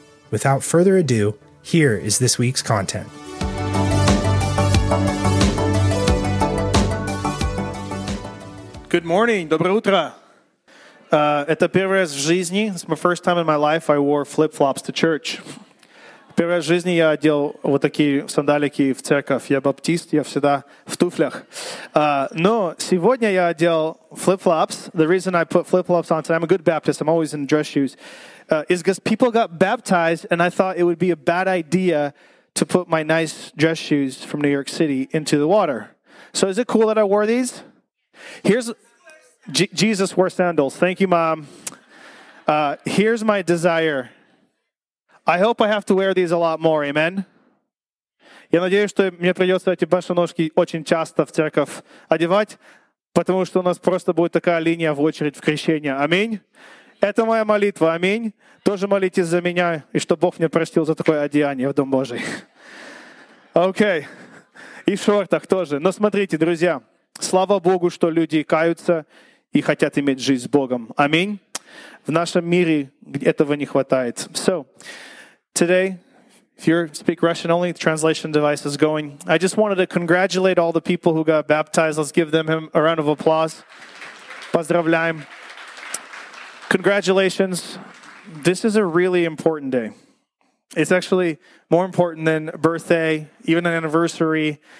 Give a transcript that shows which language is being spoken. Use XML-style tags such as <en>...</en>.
<en>Without further ado, here is this week's content. Good morning.</en> <ru>Доброе утро. Это первый раз в жизни.</ru> <en>It's my first time in my life I wore flip-flops to church.</en> <ru>Первый раз в жизни я одел вот такие сандалики в церковь. Я баптист, я всегда в туфлях. Но сегодня я одел flip-flops.</ru> <en>The reason I put flip-flops on today, I'm a good Baptist, I'm always in dress shoes, is because people got baptized and I thought it would be a bad idea to put my nice dress shoes from New York City into the water. So is it cool that I wore these? Here's Jesus wore sandals. Thank you, Mom. Here's my desire. I hope I have to wear these a lot more. Amen.</en> <ru>Я надеюсь, что мне придется эти босоножки очень часто в церковь одевать, потому что у нас просто будет такая линия в очередь в крещение. Аминь. Это моя молитва. Аминь. Тоже молитесь за меня и чтобы Бог мне простил за такое одеяние в Дом Божий. Окей. И в шортах тоже. Но смотрите, друзья. Слава Богу, что люди каются и хотят иметь жизнь с Богом. Аминь. В нашем мире этого не хватает.</ru> <en>So, today, if you speak Russian only, the translation device is going. I just wanted to congratulate all the people who got baptized. Let's give them a round of applause.</en> <ru>Поздравляем.</ru> <en>Congratulations. This is a really important day. It's actually more important than a birthday, even an anniversary.</en>